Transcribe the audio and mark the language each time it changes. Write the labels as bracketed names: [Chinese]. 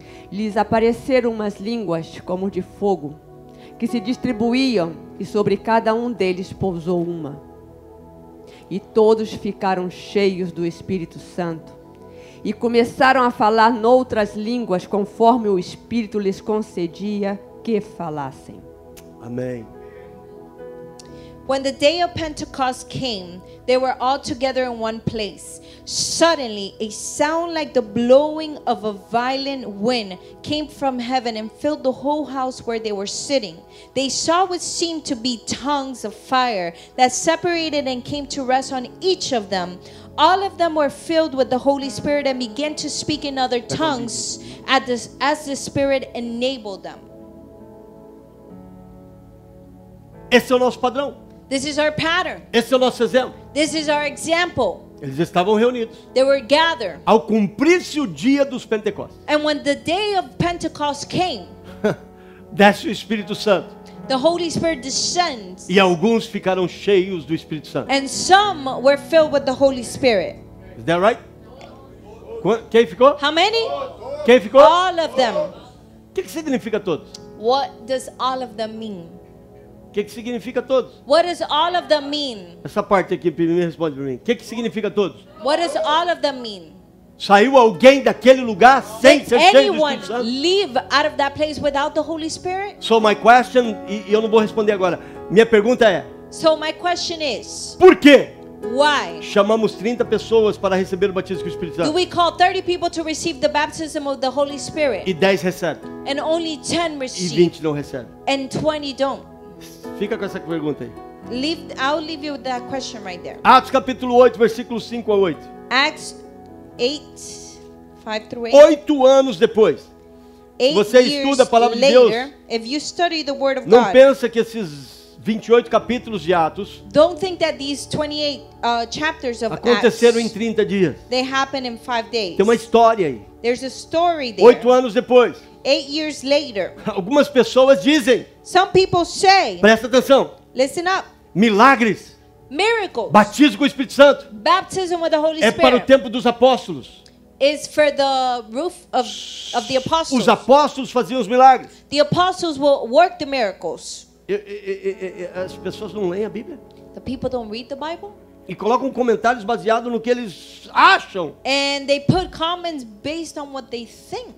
[Portuguese] Lhes apareceram umas línguas como de fogo, que se distribuíam, e sobre cada um deles pousou uma. E todos ficaram cheios do Espírito Santo, e começaram a falar noutras línguas, conforme o Espírito lhes concedia que falassem. Amém. [English] When the day of Pentecost came, they were all together in one place. Suddenly, a sound like the blowing of a violent wind came from heaven and filled the whole house where they were sitting. They saw what seemed to be tongues of fire that separated and came to rest on each of them. All of them were filled with the Holy Spirit and began to speak in other tongues as the Spirit enabled them. [Portuguese] Esse é o nosso padrão. [English] This is our pattern. [Portuguese] Esse é o nosso exemplo. [English] This is our example. [Portuguese] Eles estavam reunidos. [English] They were gathered. [Portuguese] Ao cumprir-se o dia dos Pentecostes. [English] And when the day of Pentecost came. [Portuguese] Desce o Espírito Santo. [English] The Holy Spirit descends. [Portuguese] E alguns ficaram cheios do Espírito Santo. [English] And some were filled with the Holy Spirit. Is that right? [Portuguese] Quem ficou? [English] How many? [Portuguese] Quem ficou? [English] All of them. [Portuguese] O que significa todos? [English] What does all of them mean? [Portuguese] O que significa todos? [English] What does all of them mean? [Portuguese] Essa parte aqui primeiro responde para mim. O que significa todos? [English] What does all of them mean? [Portuguese] Saiu alguém daquele lugar sem ser cheio do Espírito Santo? [English] Did anyone leave out of that place without the Holy Spirit? So my question, [Portuguese] e eu não vou responder agora. Minha pergunta é. [English] So my question is. [Portuguese] Por quê? [English] Why? [Portuguese] Chamamos 30 pessoas para receber o batismo com o Espírito Santo. [English] Do we call 30 people to receive the baptism of the Holy Spirit? [Portuguese] E 10 recebem. [English] And only 10 receive. [Portuguese] E 20 não recebem. [English] And 20 don't. [Portuguese] Fica com essa pergunta aí. [English] I'll leave you that question right there. [Portuguese] Atos capítulo 8, versículo 5 a 8. [English] Acts 8:5-8. [Portuguese] 8 anos depois. Você estuda a palavra [English] later, [Portuguese] de Deus. [English] If you study the word of [Portuguese] não [English] God. [Portuguese] Não pensa que esses 28 capítulos de Atos. [English] Don't think that these 28 chapters of [Portuguese] aconteceram [English] Acts, [Portuguese] em 30 dias. [English] They happen in 5 days. [Portuguese] Tem uma história aí. [English] There's a story there. [Portuguese] 8 anos depois. [English] 8 years later. [Portuguese] Algumas pessoas dizem. [English] Some people say. [Portuguese] Presta atenção. [English] Listen up. [Portuguese] Milagres. [English] Miracles. [Portuguese] Batismo com o Espírito Santo. [English] Baptism with the Holy [Portuguese] Spirit. É para o tempo dos apóstolos. [English] Is for the roof of the apostles. [Portuguese] Os apóstolos faziam os milagres. [English] The apostles will work the miracles. [Portuguese] As pessoas não leem a Bíblia? [English] The people don't read the Bible? [Portuguese] E colocam comentários baseados no que eles acham. [English] And they put comments based on what they think.